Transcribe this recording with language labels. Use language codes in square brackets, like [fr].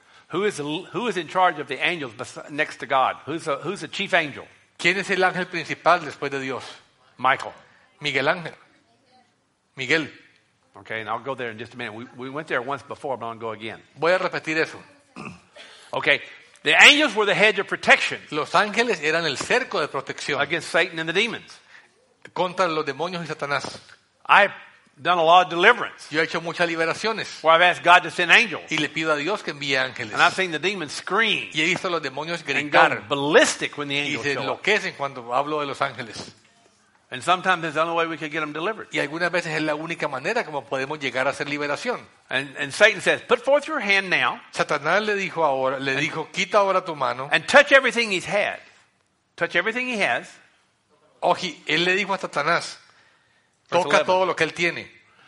[en] Who is in charge of the angels next to God? Who's the chief angel? [es] ¿Quién es el ángel principal después de Dios? [en] Michael. [es] Miguel Ángel. Miguel. [en] Okay, and I'll go there in just a minute. We went there once before, but I'll go again. [es] Voy a repetir eso. [en] Okay. The angels were the hedge of protection. [es] Los ángeles eran el cerco de protección. [en] Against Satan and the demons. [es] Contra los demonios y Satanás. [en] I've done a lot of deliverance. [es] Yo he hecho muchas liberaciones. [en] Where I've asked God to send angels. [es] Y le pido a Dios que envíe ángeles. [en] And I've seen the demons scream. [es] Y he visto los demonios gritar. [en] And gone ballistic when the angels show up. [es] Y se enloquecen cuando hablo de los ángeles. [en] And sometimes it's the only way we could get them delivered. [es] Y algunas veces es la única manera como podemos llegar a hacer liberación. [en] And Satan says, put forth your hand now. [es] Satanás le dijo ahora, le dijo, quita ahora tu mano. [en] And touch everything he's had. Touch everything he has. [es] Oye, él le dijo a Satanás, toca todo lo que él tiene.